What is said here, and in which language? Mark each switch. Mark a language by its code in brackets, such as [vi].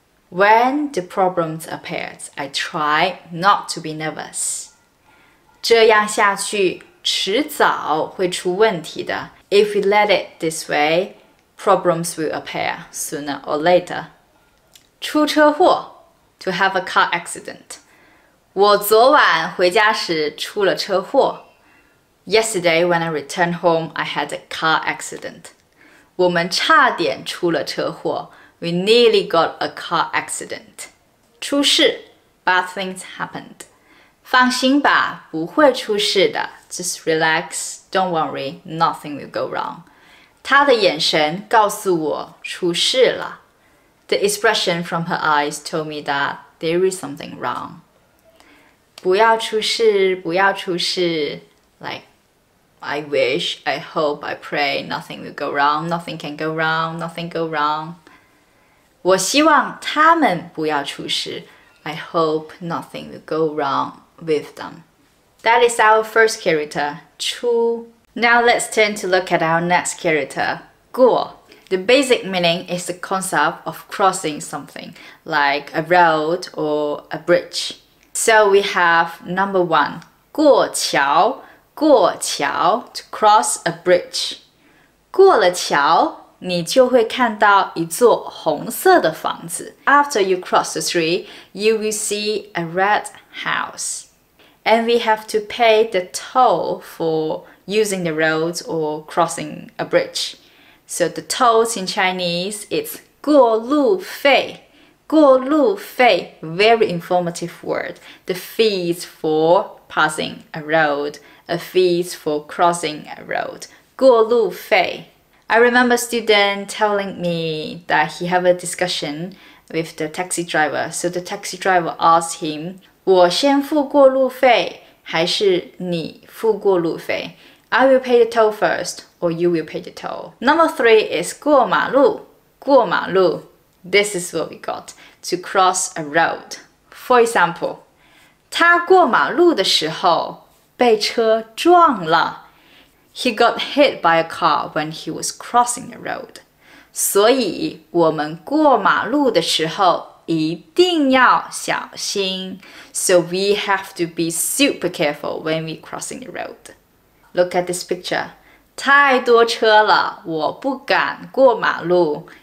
[en] When the problems appear, I try not to be nervous. [zh] 这样下去，迟早会出问题的。 [en] If we let it this way, problems will appear sooner or later. 出车祸 to have a car accident. [zh] 我昨晚回家时出了车祸。 [en] Yesterday, when I returned home, I had a car accident. [zh] 我们差点出了车祸。 [en] We nearly got a car accident. [zh] 出事 [en] bad things happened. [zh] 放心吧，不会出事的。 [en] Just relax, don't worry, nothing will go wrong. [zh] 她的眼神告诉我出事了。 [en] The expression from her eyes told me that there is something wrong. [zh] 不要出事，不要出事。 [en] Like,I wish, I hope, I pray, nothing will go wrong, nothing can go wrong, nothing go wrong. [zh] 我希望他们不要出事。 [en] I hope nothing will go wrong with them. That is our first character, 出. Now let's turn to look at our next character, 过. The basic meaning is the concept of crossing something, like a road or a bridge. So we have number one, 过桥。过桥 to cross a bridge. [zh] 过了桥你就会看到一座红色的房子。 [en] After you cross the street, you will see a red house. And we have to pay the toll for using the road or crossing a bridge. So the tolls in Chinese, it's 过路费。过路费 very informative word. The fees for passing a road. A fee for crossing a road. 过路费 I remember a student telling me that he had a discussion with the taxi driver. So the taxi driver asked him, [zh] 我先付过路费 [en] 还是你付过路费 I will pay the toll first or you will pay the toll. Number three is 过马路过马路 This is what we got. To cross a road. For example, [zh] 他过马路的时候被车撞了。 [en] He got hit by a car when he was crossing the road. [zh] 所以我们过马路的时候一定要小心。 [en] So we have to be super careful when we crossing the road. Look at this picture. [zh] 太多车了，我不敢过马路。